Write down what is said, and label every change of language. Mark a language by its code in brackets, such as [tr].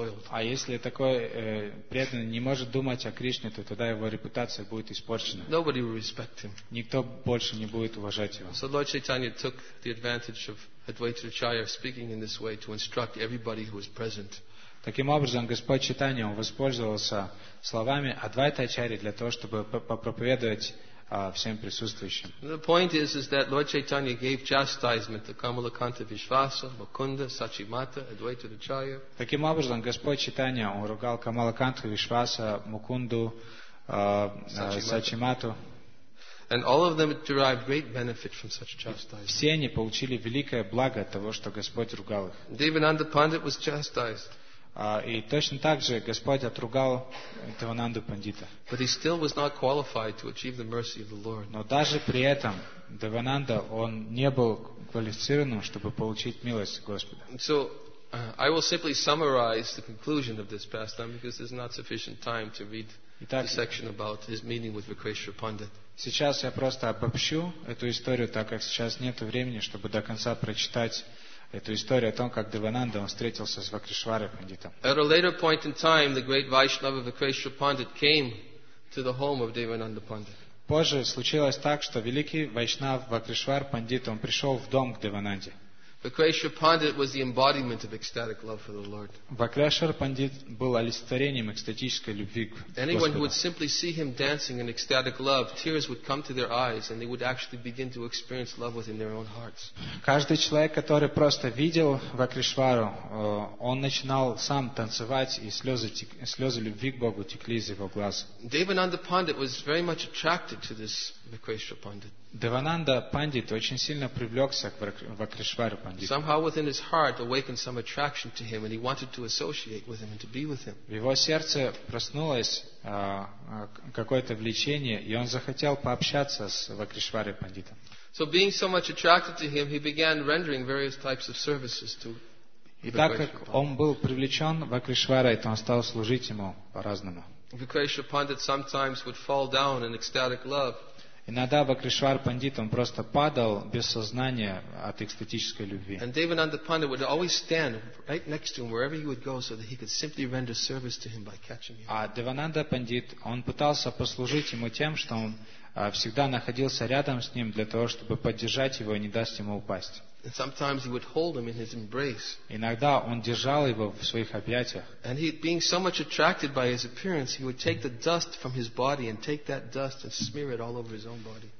[ru] А если такой преданный не может думать о Кришне, то тогда его репутация будет испорчена. [en] Nobody will respect him. [ru] Никто больше не будет уважать его. [en] So Lord Chaitanya took the advantage of Advaita Acharya speaking in this way to instruct everybody who was present. [ru] Таким образом, Господь Чайтанья воспользовался словами Адвайта Ачарьи для того, чтобы попроповедовать всем присутствующим. [en] The point is that Lord Chaitanya gave chastisement to Kamalakanta Vishvasa, Mukunda, Sachimata, Advaita Acharya. [ru] Таким образом, Господь Чайтанья уругал Камалаканту Вишваса, Мукунду, Сачимату. [en] And all of them derived great benefit from such chastisement. [ru] Все они получили великое благо от того, что Господь ругал их. [en] Devananda Pandit was chastised. [ru] И точно так же Господь отругал Девананду Пандита. [en] But he still was not qualified to achieve the mercy of the Lord. [ru] Но даже при этом Девананда, он не был квалифицирован, чтобы получить милость Господа. [en] So, I will simply summarize the conclusion of this pastime because there's not sufficient time to read the section about his meeting with Vikrishra Pandit. [ru] Сейчас я просто обобщу эту историю, так как сейчас нет времени, чтобы до конца прочитать эту историю о том, как Девананда встретился с Вакришварой Пандитом. [en] At a later point in time, the great Vaishnava Vakrishra Pandit came to the home of Devananda Pandit. [ru] Позже случилось так, что великий Вайшнав Вакришвар Пандит, он пришел в дом к Девананде. [en] Vakrishra Pandit was the embodiment of ecstatic love for the Lord. [ru] Вакришвар Пандит был олицетворением экстатической любви к Господу. [en] Anyone who would simply see him dancing in ecstatic love, tears would come to their eyes and they would actually begin to experience love within their own hearts. [ru] Каждый человек, который просто видел Вакришвару, он начинал сам танцевать, и слезы любви к Богу текли из его глаз. [en] Devananda Pandit was very much attracted to this Vakrishra Pandit. [ru] Девананда Пандит очень сильно привлекся к Вакришвару Пандиту. [en] Somehow within his heart awakened some attraction to him and he wanted to associate with him and to be with him. [ru] В его сердце проснулось какое-то влечение, и он захотел пообщаться с Вакришварой Пандитом. [en] So being so much attracted to him, he began rendering various types of services to [ru] И так как он был привлечен Вакришварой, то он стал служить ему по-разному. [en] Vakrishra Pandit sometimes would fall down in ecstatic love. [ru] Иногда Вакришвар Пандит, он просто падал без сознания от экстатической любви. [en] And Devananda Pandit would always stand right next to him wherever he would go so that he could simply render service to him by catching him. [ru] А Девананда Пандит, он пытался послужить ему тем, что он всегда находился рядом с ним для того, чтобы поддержать его и не дать ему упасть. [en] And sometimes he would hold him in his embrace. [ru] Иногда он держал его в своих объятиях. [en] And he, being so much attracted by his appearance, he would take the dust from his body and take that dust and smear it all over his own body.